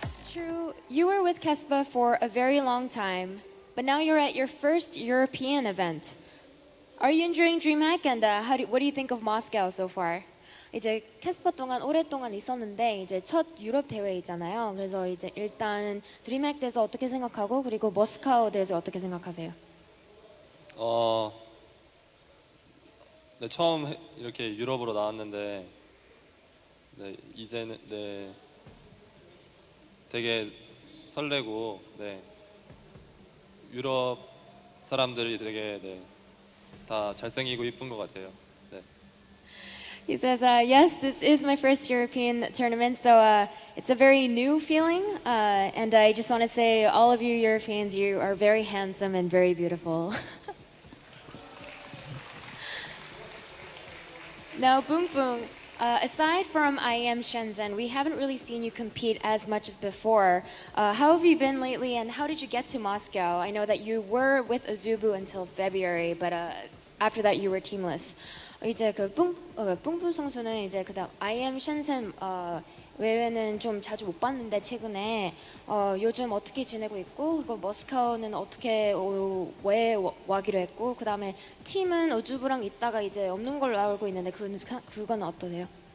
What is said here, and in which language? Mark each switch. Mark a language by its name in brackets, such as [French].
[English] True, you were with Kespa for a very long time, but now you're at your first European event. Are you enjoying DreamHack and what do you think of Moscow so far? [Korean] 이제 캐스퍼 동안 오랫동안 있었는데 이제 첫 유럽 대회이잖아요. 그래서 이제 일단 드림핵 대해서 어떻게 생각하고 그리고 모스카우 대해서 어떻게 생각하세요? 네, 처음 이렇게 유럽으로 나왔는데 네, 이제는 네 되게 설레고 네 유럽 사람들이 되게 네 다 잘생기고 이쁜 것 같아요. [English] He says, yes, this is my first European tournament, so it's a very new feeling. And I just want to say, all of you Europeans, you are very handsome and very beautiful. Now, Bung Bung, aside from IEM Shenzhen, we haven't really seen you compete as much as before. How have you been lately, and how did you get to Moscow? I know that you were with Azubu until February, but after that you were teamless. [Korean] 이제 그 뿡뿡 선수는 이제 그다음 IEM Shenzhen 외에는 좀 자주 못 봤는데 최근에 요즘 어떻게 지내고 있고 그리고 모스크바는 어떻게 왜 와기로 했고 그다음에 팀은 우주부랑 있다가 이제 없는 걸로 알고 있는데 그건 어떠세요?